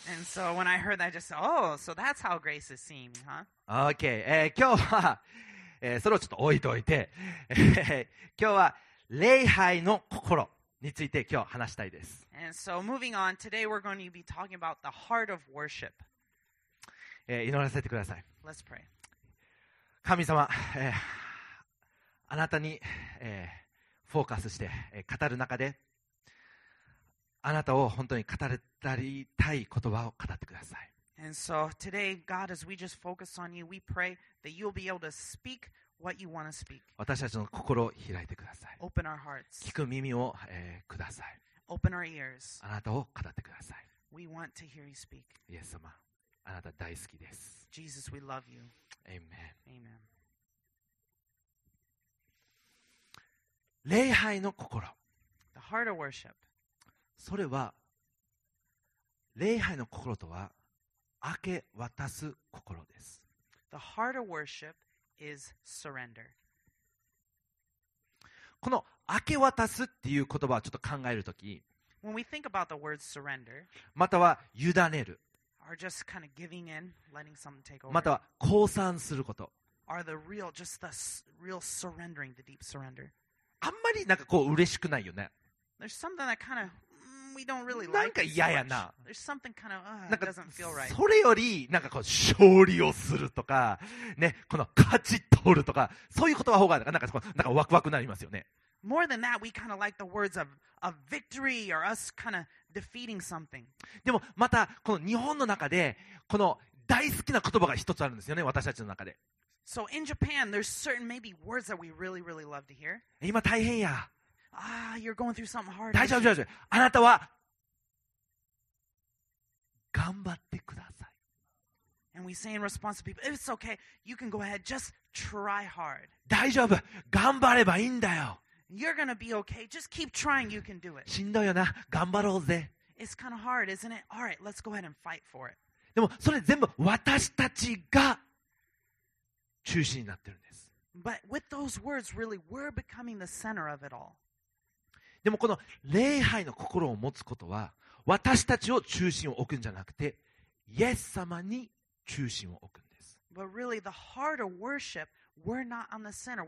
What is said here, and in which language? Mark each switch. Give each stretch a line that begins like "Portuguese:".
English: And so when I heard that, I just said, oh, so that's how Grace is seeing, huh? Okay.
Japanese: 今日は、それをちょっと置いておいて、今日は礼拝の心。について今日話したいです。
English: And so moving on, today we're going to be talking about the heart of worship.
Japanese: 祈らせてください。
English: Let's pray.
Japanese: 神様、あなたに、フォーカスして、語る中で、あなたを本当に語りたい言葉を語ってください。
English: And so today, God, as we just focus on you, we pray that you'll be able to speak. What you want to speak.
Japanese: 私たちの心を開いてください。
English: Open our hearts.
Japanese: 聞く耳を、ください。
English: Open our ears.
Japanese: あなたを語ってください。
English: We want to hear you speak.
Japanese: イエス様、あなた大好きです。
English: Jesus, we love you. Amen. Amen.
Japanese: 礼拝の心。
English: The heart of worship.
Japanese: それは、礼拝の心とは、明け渡す心です。
English: The heart of worship. Is surrender.
Japanese: この明け渡すっていう言葉をちょっと考えるとき、
English: When we think about the word surrender,
Japanese: または委ねる、
English: or just kind of giving in, letting something take over,
Japanese: または降参すること、
English: are the real, just the real surrendering, the deep surrender.
Japanese: あんまりなんかこう嬉しくないよね。
English: There's something that kind of we don't really like.
Japanese: なんか嫌やな。
English: There's something kind of doesn't feel right.
Japanese: それよりなんかこう勝利をするとかね、この勝ち取るとかそういう言葉方がなんかワクワクになりますよね。
English: More than that, we kind of like the words of victory or us kind of defeating something.
Japanese: でもまたこの日本の中でこの大好きな言葉が一つあるんですよね、私たちの中で。
English: So in Japan, there's certain maybe words that we really, really love to hear.
Japanese: 今大変や。
English: Ah, you're going through something hard.
Japanese: 大丈夫、大丈夫。あなたは頑張ってください。
English: And we say in response to people, it's okay, you can go ahead, just try hard.
Japanese: 大丈夫、頑張ればいいんだよ。
English: You're gonna be okay, just keep trying, you can do it.
Japanese: しんどいよな、頑張ろうぜ。
English: It's kind of hard, isn't it? All right, let's go ahead and fight for it.
Japanese: でもそれ全部私たちが中心になってるんです。
English: But with those words, really, we're becoming the center of it all.
Japanese: でもこの礼拝の心を持つことは、私たちを中心を置くんじゃなくて、イエス様に中心を置くんです。
English: But really, the heart of worship, we're not on the center.